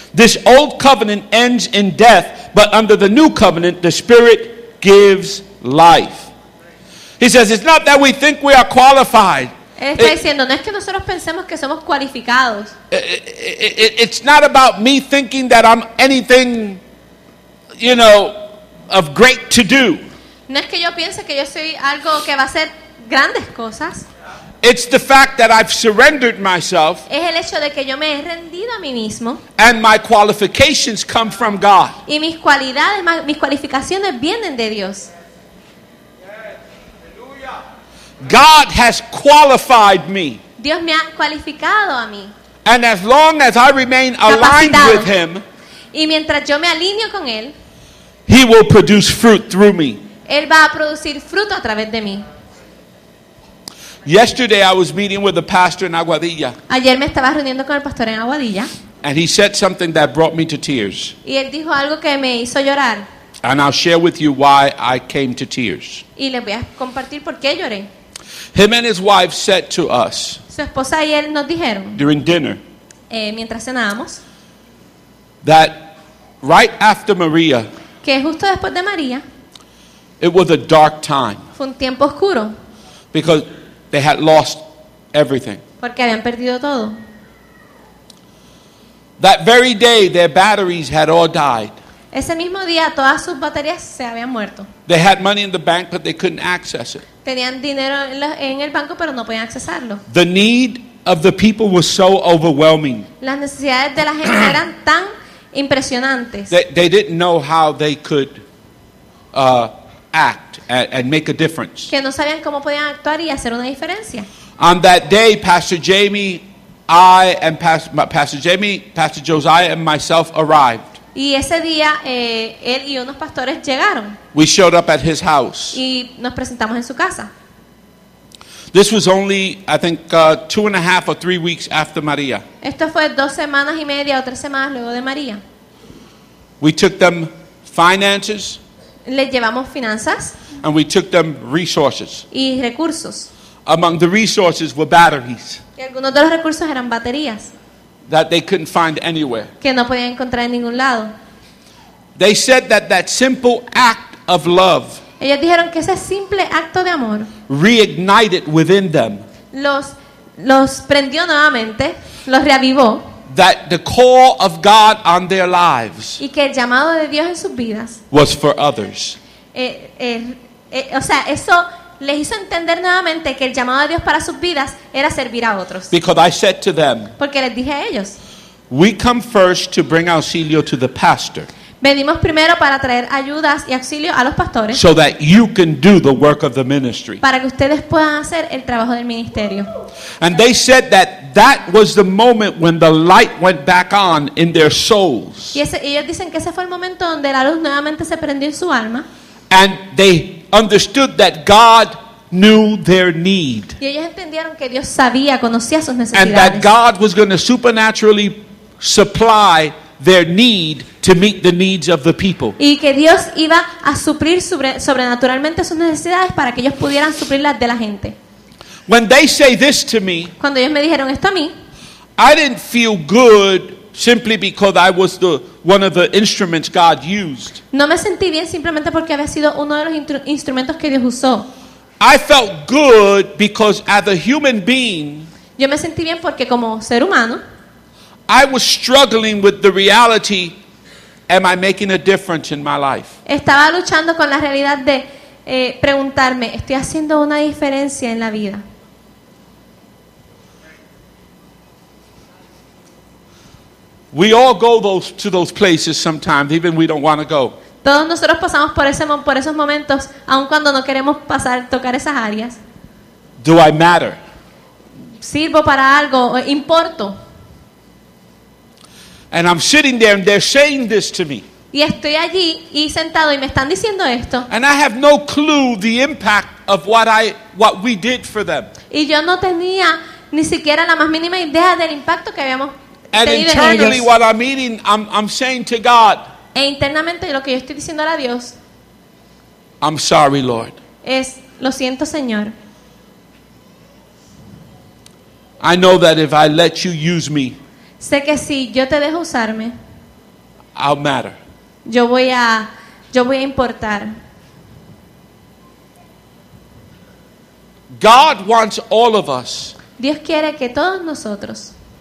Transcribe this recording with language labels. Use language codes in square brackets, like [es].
[en] This old covenant ends in death, but under the new covenant, the Spirit gives life. He says, it's not that we think we are qualified. [es] Él está diciendo, no es que nosotros pensemos que somos cualificados. [en] It's not about me thinking that I'm anything, you know, of great to do. [es] No es que yo piense que yo soy algo que va a hacer grandes cosas. [en] It's the fact that I've surrendered myself. [es] Es el hecho de que yo me he rendido a mí mismo. [en] And my qualifications come from God. [es] Y mis cualidades, mis cualificaciones vienen de Dios. [en] God has qualified me. [es] Dios me ha cualificado a mí. [en] And as long as I remain aligned with him. [es] Y mientras yo me alineo con él. [en] He will produce fruit through me. [es] Él va a producir fruto a través de mí. [en] Yesterday I was meeting with the pastor in Aguadilla. [es] Ayer me estaba reuniendo con el pastor en Aguadilla. [en] And he said something that brought me to tears. [es] Y él dijo algo que me hizo llorar. [en] And I'll share with you why I came to tears. [es] Y les voy a compartir por qué lloré. [en] Him and his wife said to us, [es] su esposa y él nos dijeron, [en] during dinner, [es] mientras cenábamos, [en] that right after Maria, [es] que justo después de María, [en] it was a dark time. [es] Fue un tiempo oscuro. [en] Because they had lost everything. [es] Porque habían perdido todo. [en] That very day, their batteries had all died. [es] Ese mismo día, todas sus baterías se habían muerto. [en] They had money in the bank, but they couldn't access it. [es] Tenían dinero en el banco, pero no podían accesarlo. [en] The need of the people was so overwhelming. [es] Las necesidades de la gente eran tan impresionantes. [en] They didn't know how they could act and make a difference. [es] Que no sabían cómo podían actuar y hacer una diferencia. [en] On that day, Pastor Jamie, I and Pastor Josiah and myself arrived. [es] Y ese día él y unos pastores llegaron. [en] We showed up at his house. [es] Y nos presentamos en su casa. [en] This was only, I think, 2.5 or 3 weeks after Maria. [es] Esto fue 2 semanas y media o 3 semanas luego de María. [en] We took them finances. [es] Les llevamos finanzas. [en] And we took them resources. [es] Y recursos. [en] Among the resources were batteries. [es] Y algunos de los recursos eran baterías. [en] That they couldn't find anywhere. [es] Que no podían encontrar en ningún lado. [en] They said that that simple act of love. [es] Ellos dijeron que ese simple acto de amor. [en] Reignited within them. [es] Los prendió nuevamente. Los reavivó. [en] That the call of God on their lives. [es] Y que el llamado de Dios en sus vidas. [en] Was for others. [es] O sea, eso les hizo entender nuevamente que el llamado de Dios para sus vidas era servir a otros. [en] Because I said to them, [es] porque les dije a ellos, [en] we come first to bring auxilio to the pastor. [es] Venimos primero para traer ayudas y auxilio a los pastores. [en] So that you can do the work of the ministry. [es] Para que ustedes puedan hacer el trabajo del ministerio. [en] And they said that that was the moment when the light went back on in their souls. [es] Y ellos dicen que ese fue el momento donde la luz nuevamente se prendió en su alma. [en] And they understood that God knew their need. [es] Y ellos entendieron que Dios sabía, conocía sus necesidades. [en] And that God was going to supernaturally supply their need to meet the needs of the people. [es] Y que Dios iba a suplir sobrenaturalmente sus necesidades para que ellos pudieran suplir las de la gente. [en] When they say this to me, [es] cuando ellos me dijeron esto a mí, [en] I didn't feel good simply because I was the one of the instruments God used. [es] No me sentí bien simplemente porque había sido uno de los instrumentos que Dios usó. [en] I felt good because as a human being, [es] yo me sentí bien porque como ser humano, [en] I was struggling with the reality, am I making a difference in my life? [es] Estaba luchando con la realidad de preguntarme, ¿estoy haciendo una diferencia en la vida? [en] We all go to those places sometimes, even we don't want to go. [es] Todos nosotros pasamos por esos momentos, aun cuando no queremos pasar, tocar esas áreas. [en] Do I matter? [es] ¿Sirvo para algo? ¿Importo? [en] And I'm sitting there and they're saying this to me. [es] Y estoy allí y sentado y me están diciendo esto. [en] And I have no clue the impact of what we did for them. [es] Y yo no tenía ni siquiera la más mínima idea del impacto que habíamos. [en] And internally, what I'm eating, I'm saying to God. [es] E internamente lo que yo estoy diciendo a Dios. [en] I'm sorry, Lord. [es] Es lo siento, Señor. [en] I know that if I let you use me, [es] sé que si yo te dejo usarme, [en] I'll matter. [es] Yo voy a importar. [en] God wants all of us. [es] Dios quiere que todos nosotros